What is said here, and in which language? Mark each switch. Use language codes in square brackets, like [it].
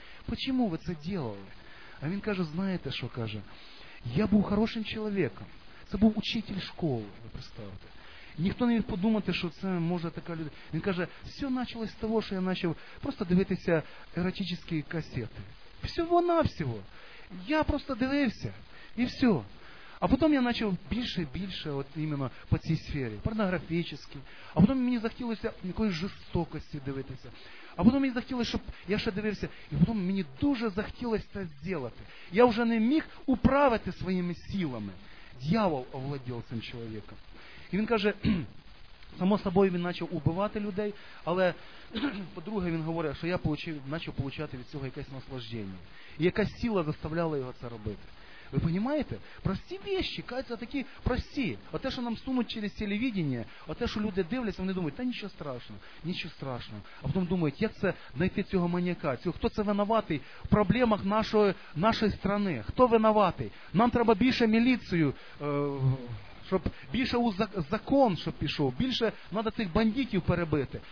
[uk] Почему ви це делали? А він каже, знаєте, що каже? Я був хорошим чоловіком. Це був учитель школи, ви представте. Ніхто не міг подумати, що це може така людина. Він каже, все почалось з того, що я почав просто дивитися еротичні касети. Всього-навсього. Я просто дивився. І все. [ru] А потом я начал больше и больше вот именно по этой сфере, порнографически. А потом мне захотелось какой-то жестокости дивиться. А потом мне захотелось, чтобы я еще дивился. И потом мне дуже захотелось это сделать. Я уже не мог управить своими силами. Дьявол овладел этим человеком. И он каже, само собой, он начал убивать людей. [uk] Але, по-друге, [ru] он говорит, что я начал получать от этого какое-то наслаждение. И какая-то сила заставляла его это делать. [uk] Ви розумієте? Прості вещи, кажуть, такі прості. Оте, що нам сунуть через телевідення, оте, що люди дивляться, вони думають, та нічого страшного, нічого страшного. А потім думають, як це знайти цього маніяка, цього, хто це винуватий в проблемах нашої країни, хто винуватий. Нам треба більше міліцію, щоб більше закон, щоб пішов, більше треба цих бандитів перебити.